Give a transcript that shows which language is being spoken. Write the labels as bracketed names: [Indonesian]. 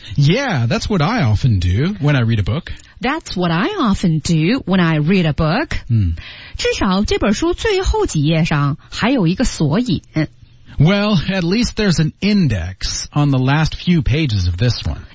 [English] Yeah, that's what I often do when I read a book That's what I often do when I read a book、 mm. [Chinese] 至少这本书最后几页上还有一个索引 [English] Well, at least there's an index on the last few pages of this one